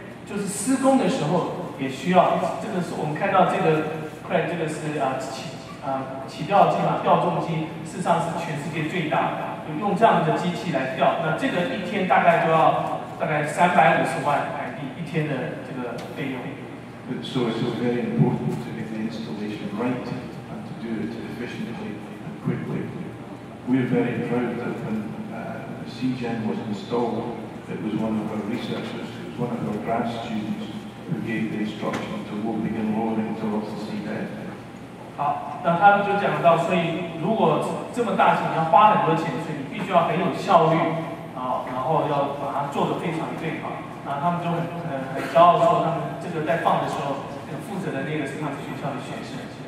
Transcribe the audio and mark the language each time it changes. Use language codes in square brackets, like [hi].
[zh] 就是施工的时候也需要，这个是我们看到这个快，这个是起吊机嘛，吊重机，事实上是全世界最大的，用这样的机器来吊，那这个一天大概就要大概350万台币一天的这个费用。 [en] So it's very important to get the installation right and to do it efficiently and quickly. We're very proud that when CGEN was installed, it was one of our researchers. One of our grad students who gave the instruction to won't begin rolling towards the seabed. [zh] 好，那他们就讲到，所以如果这么大型，要花很多钱，所以你必须要很有效率啊，然后要把它做得非常最好。那他们就很骄傲说，他们这个在放的时候，这个负责的那个是他们学校的学生。